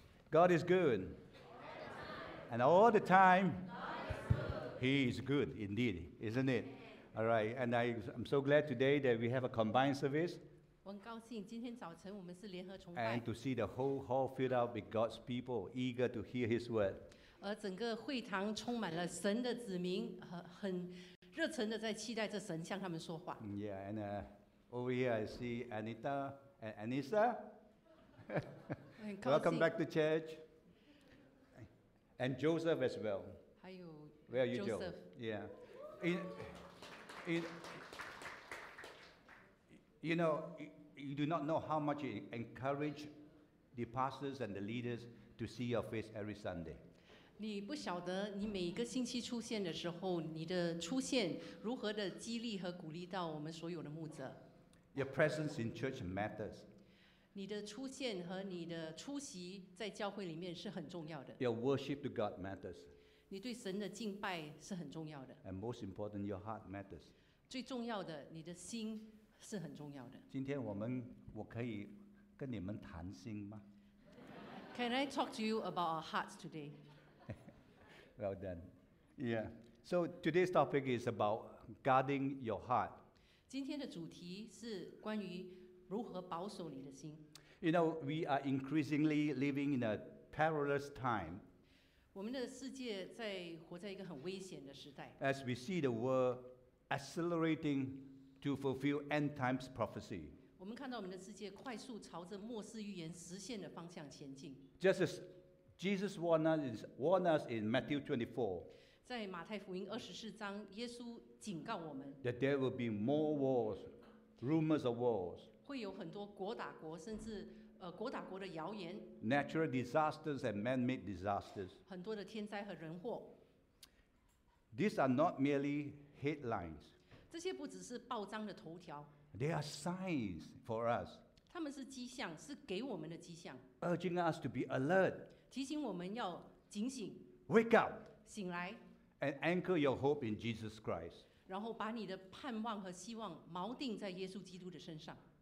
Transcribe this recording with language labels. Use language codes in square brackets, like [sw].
[en] God is good, and all the time, He is good indeed, isn't it? All right, and I'm so glad today that we have a combined service. [zh] 我很高兴今天早晨我们是联合崇拜。 [en] And to see the whole hall filled up with God's people, eager to hear His word. [zh] 而整个会堂充满了神的子民，很热忱的在期待着神向他们说话。 [en] Yeah, and over here I see Anita and Anissa. Welcome back to church. And Joseph as well. [zh] 还有 [en] Where are you, Joseph? Yeah. You know, you do not know how much you encourage the pastors and the leaders to see your face every Sunday. [zh] 你不晓得你每个星期出现的时候，你的出现如何的激励和鼓励到我们所有的牧者。 [en] Your presence in church matters. [zh] 你的出现和你的出席在教会里面是很重要的。 [en] Your worship to God matters. [zh] 你对神的敬拜是很重要的。 [en] And most important, your heart matters. [zh] 最重要的，你的心。是很重要的。今天我可以跟你们谈心吗 [en] ？Can I talk to you about our hearts today? Well done. Yeah. So today's topic is about guarding your heart. [zh] 今天的主题是关于如何保守你的心。 [en] You know, we are increasingly living in a perilous time. [zh] 我们的世界在活在一个很危险的时代。 [en] As we see the world accelerating. To fulfill end times prophecy. [zh] 我们看到我们的世界快速朝着末世预言实现的方向前进。 [en] Just as Jesus warned us in Matthew 24. [zh] 在马太福音二十四章，耶稣警告我们。 [en] That there will be more wars, rumors of wars. [zh] 会有很多国打国，甚至国打国的谣言。 [en] Natural disasters and man-made disasters. [zh] 很多的天灾和人祸。 [en] These are not merely headlines. [zh] 这些不只是报章的头条。 [en] They are signs for us. [zh] 他们是迹象，是给我们的迹象。 [en] Urging us to be alert. [zh] 提醒我们要警醒。 [en] Wake up. [zh] 醒来。 [en] And anchor your hope in Jesus Christ. [zh] 然后把你的盼望和希望锚定在耶稣基督的身上。